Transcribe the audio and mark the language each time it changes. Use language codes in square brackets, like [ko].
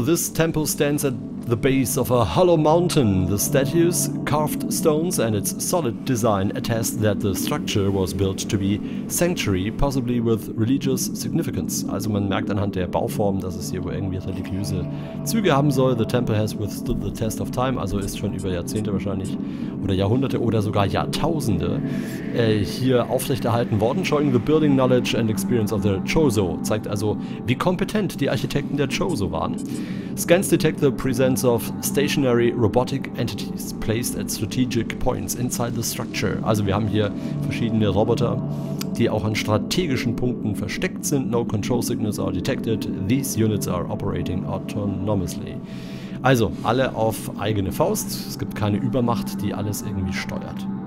[en] This temple stands at the base of a hollow mountain. The statues, carved stones and its solid design attest that the structure was built to be sanctuary, possibly with religious significance. [de] Also man merkt anhand der Bauform, dass es hier wohl irgendwie religiöse Züge haben soll. [en] The temple has withstood the test of time, [de] also ist schon über Jahrzehnte wahrscheinlich oder Jahrhunderte oder sogar Jahrtausende hier aufrechterhalten worden. [en] Showing the building knowledge and experience of the Chozo. [de] Zeigt also, wie kompetent die Architekten der Chozo waren. [en] Scans detect the presence of stationary robotic entities placed at strategic points inside the structure. [de] Also wir haben hier verschiedene Roboter, die auch an strategischen Punkten versteckt sind. [en] No control signals are detected. These units are operating autonomously. [de] Also, alle auf eigene Faust. Es gibt keine Übermacht, die alles irgendwie steuert.